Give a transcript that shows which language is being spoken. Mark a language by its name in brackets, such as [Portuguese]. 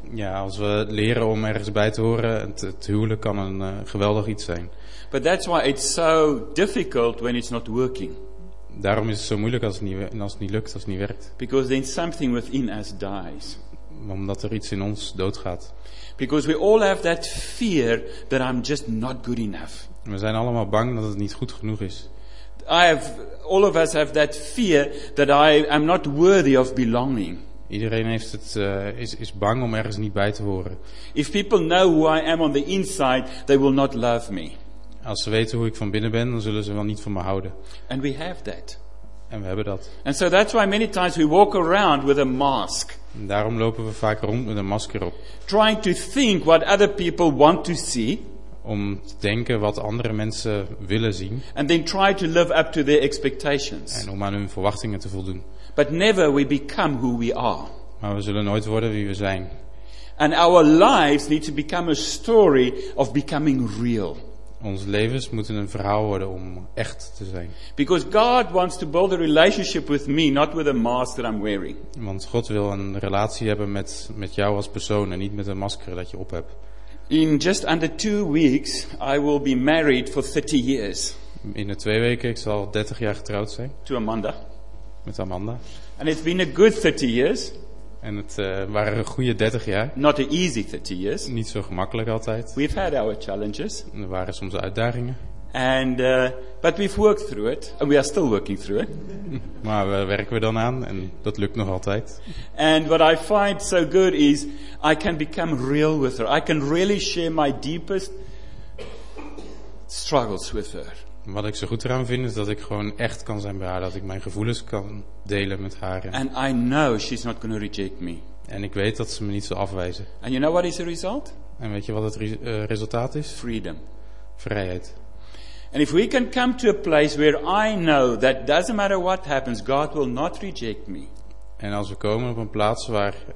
[Dutch] Ja, als we leren om ergens bij te horen, het huwelijk kan een geweldig iets zijn. [English] But that's why it's so difficult when it's not working. [Dutch] Daarom is het zo moeilijk als het niet lukt, als het niet werkt. [English] Because then something within us dies. [Dutch] Omdat er iets in ons doodgaat. [English] Because we all have that fear that I'm just not good enough. [Dutch] We zijn allemaal bang dat het niet goed genoeg is. [English] All of us have that fear that I am not worthy of belonging. [Dutch] Iedereen heeft het is bang om ergens niet bij te horen. [English] If people know who I am on the inside, they will not love me. [Dutch] Als ze weten hoe ik van binnen ben, dan zullen ze wel niet van me houden. [English] And we have that. [Dutch] En we hebben dat. [English] And so that's why many times we walk around with a mask. [Dutch] En daarom lopen we vaak rond met een masker op. [English] Trying to think what other people want to see. [Dutch] Om te denken wat andere mensen willen zien. [English] And then try to live up to their expectations. [Dutch] En om aan hun verwachtingen te voldoen. [English] But never we become who we are. [Dutch] Maar we zullen nooit worden wie we zijn. [English] And our lives need to become a story of becoming real. [Dutch] Onze levens moeten een verhaal worden om echt te zijn. [English] Because God wants to build a relationship with me, not with a mask that I'm wearing. [Dutch] Want God wil een relatie hebben met jou als persoon en niet met een masker dat je op hebt. [English] In just under 2 weeks, I will be married for 30 years. [Dutch] In de 2 weken, ik zal 30 jaar getrouwd zijn. [English] To Amanda. [Dutch] Met Amanda. [English] And it's been a good 30 years. [Dutch] En het waren een goede 30 jaar. [English] Not an easy 30 years. [Dutch] Niet zo gemakkelijk altijd. [English] We've had our challenges. [Dutch] Er waren soms uitdagingen. [English] But we've worked through it, and we are still working through it. [Dutch] Maar we werken dan aan, en dat lukt nog altijd. [English] And what I find so good is, I can become real with her. I can really share my deepest struggles with her. [Dutch] Wat ik zo goed eraan vind, is dat ik gewoon echt kan zijn bij haar, dat ik mijn gevoelens kan delen met haar. [English] And I know she's not going to reject me. [Dutch] En ik weet dat ze me niet zal afwijzen. [English] And you know what is the result? [Dutch] En weet je wat het resultaat is? [English] Freedom. [Dutch] Vrijheid. [English] And if we can come to a place where I know that doesn't matter what happens, God will not reject me. [Dutch] En als we komen op een plaats waar,